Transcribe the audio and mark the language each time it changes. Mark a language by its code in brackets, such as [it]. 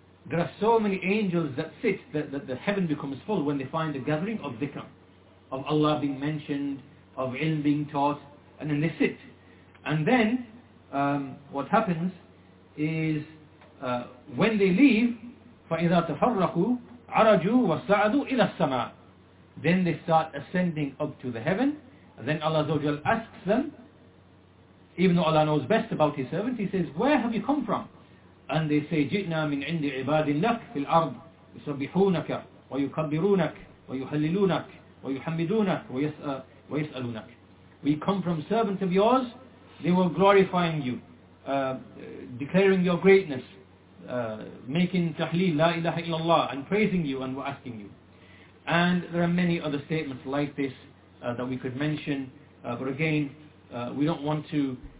[en] there are so many angels that sit that the heaven becomes full when they find the gathering of dhikr, of Allah being mentioned, of ilm being taught, and then they sit, and then what happens is when they leave, [ar] فَإِذَا تَفَرَّقُوا عَرَجُوا وَسَعَدُوا إِلَى السَّمَاءِ, [en] then they start ascending up to the heaven. And then Allah Azawajal asks them, even though Allah knows best about His servants, He says, where have you come from? And they say, [ar] جِئْنَا مِنْ عِنْدِ عِبَادٍ لَكْ فِي الْأَرْضِ يُسَبِّحُونَكَ وَيُكَبِّرُونَكَ وَيُحَلِّلُونَكَ وَيُحَمِّدُونَكَ وَيَسْأَلُونَكَ. [en] We come from servants of yours, they were glorifying you, declaring your greatness, making tahleel, la ilaha illallah, and praising you and asking you. And there are many other statements like this that we could mention, but again, we don't want to